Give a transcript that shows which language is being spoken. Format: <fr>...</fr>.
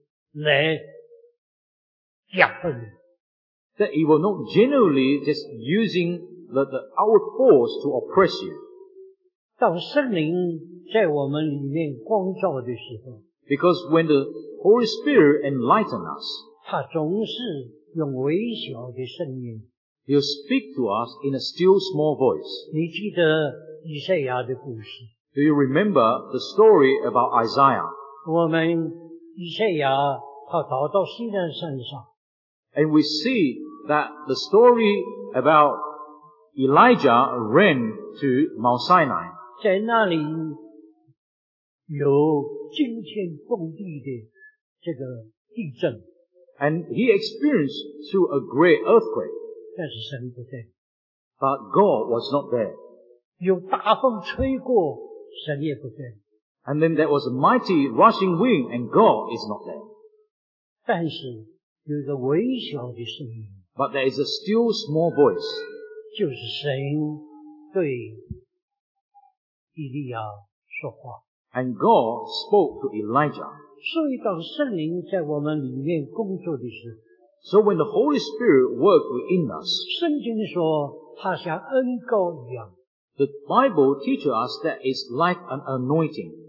<zh>他不会笼统地用家人的势力来压迫人,</zh> <en>that it will not generally just using the our force to oppress you.</en> <zh>当圣灵在我们里面光照的时候,</zh> <en>because when the Holy Spirit enlightens us,</en> <zh>他总是用微小的声音,</zh> <en>He'll speak to us in a still small voice.</en> <zh>你记得以赛亚的故事?</zh> <en>Do you remember the story about Isaiah?</en> <zh>我们以赛亚他逃到西南山上,</zh> <en>and we see that the story about Elijah ran to Mount Sinai.</en> <zh>在那里, 有惊天动地的这个地震,</zh> <en>and he experienced through a great earthquake.</en> <zh>但是神不在,</zh> <en>but God was not there.</en> <zh>有大风吹过, 神也不在,</zh> <en>and then there was a mighty rushing wind, and God is not there.</en> <zh>但是有一个微小的声音,</zh> <en>but there is a still small voice.</en> <zh>就是神对以利亚说话。</zh> <en>And God spoke to Elijah.</en> <zh>所以当圣灵在我们里面工作的时候,</zh> <en>so when the Holy Spirit worked within us,</en> <zh>圣经说他像恩膏一样,</zh> <en>the Bible teaches us that it's like an anointing.</en>